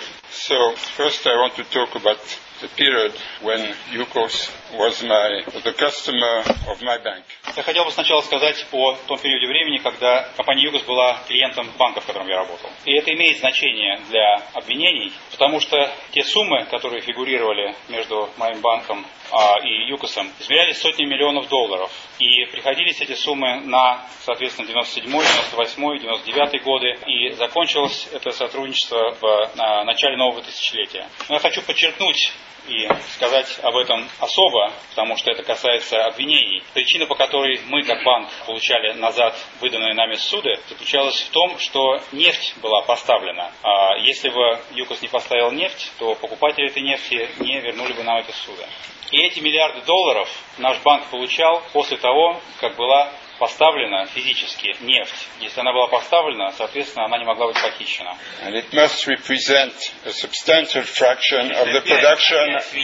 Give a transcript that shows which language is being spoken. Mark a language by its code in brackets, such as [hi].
[en] So, first I want to talk about the period when Yukos was the customer of my bank. [ru] Я хотел бы сначала сказать о том периоде времени, когда компания Yukos была клиентом банка, в котором я работал. И это имеет значение для обвинений, потому что те суммы, которые фигурировали между моим банком и Юкосом, измерялись сотни миллионов долларов. И приходились эти суммы на, соответственно, 97-й, 98-й, 99-й годы. И закончилось это сотрудничество в начале нового тысячелетия. Но я хочу подчеркнуть и сказать об этом особо, потому что это касается обвинений. Причина, по которой мы, как банк, получали назад выданные нами суды, заключалась в том, что нефть была поставлена. А если бы Юкос не поставил нефть, то покупатели этой нефти не вернули бы нам эти суды. И эти миллиарды долларов наш банк получал после того, как была поставлена физически нефть. Если она была поставлена, соответственно, она не могла быть похищена. [en] And it must represent a substantial fraction of the production.